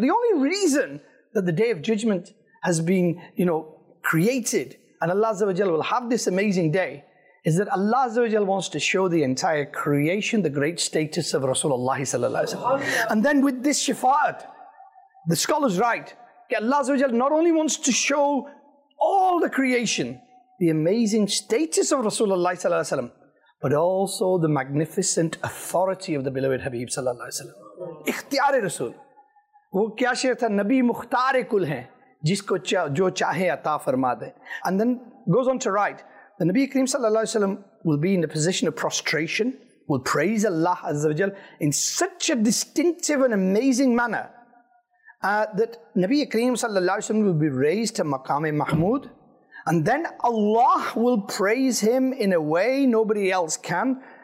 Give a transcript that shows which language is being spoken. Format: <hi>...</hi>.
<en>The only reason that the Day of Judgment has been, you know, created and Allah Azza wa Jal will have this amazing day is that Allah Azza wa Jal wants to show the entire creation the great status of Rasulullah sallallahu alayhi wa sallam. And then with this shafa'at, the scholars write, okay, Allah Azza wa Jal not only wants to show all the creation the amazing status of Rasulullah sallallahu alayhi wa sallam, but also the magnificent authority of the beloved Habib sallallahu alayhi wa sallam.</en> <ur>اختیاری رسول. وہ کیا شعر تھا؟ نبی مختار کل ہیں، جس کو جو چاہے عطا فرما دے.</ur> <en>And then goes on to write, the Nabi Kareem sallallahu alayhi wa sallam will be in a position of prostration, will praise Allah azza wa jal in such a distinctive and amazing manner that Nabi Kareem sallallahu alayhi wa sallam will be raised to maqam-e mahmood, and then Allah will praise him in a way nobody else can.</en>